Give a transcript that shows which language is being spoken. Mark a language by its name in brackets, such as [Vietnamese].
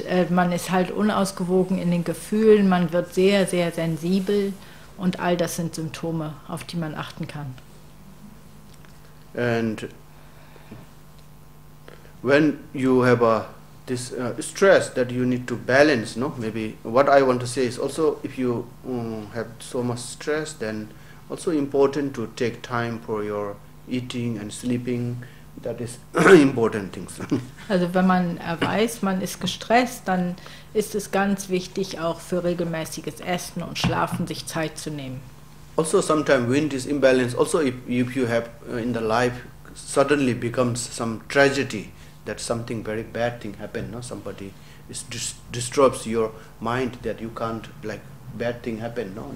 [German] Man ist halt unausgewogen in den Gefühlen, man wird sehr, sehr sensibel und all das sind Symptome, auf die man achten kann. [English] And when you have stress that you need to balance, no? Maybe what I want to say is also if you have so much stress, then also important to take time for your eating and sleeping. That is important things. [German] Also wenn man weiß, man ist gestresst, dann ist es ganz wichtig, auch für regelmäßiges Essen und Schlafen sich Zeit zu nehmen. [English] Also sometimes wind is imbalanced. Also if you have in the life suddenly becomes some tragedy, that something very bad thing happened, no? Somebody disturbs your mind that you can't, like bad thing happen, no?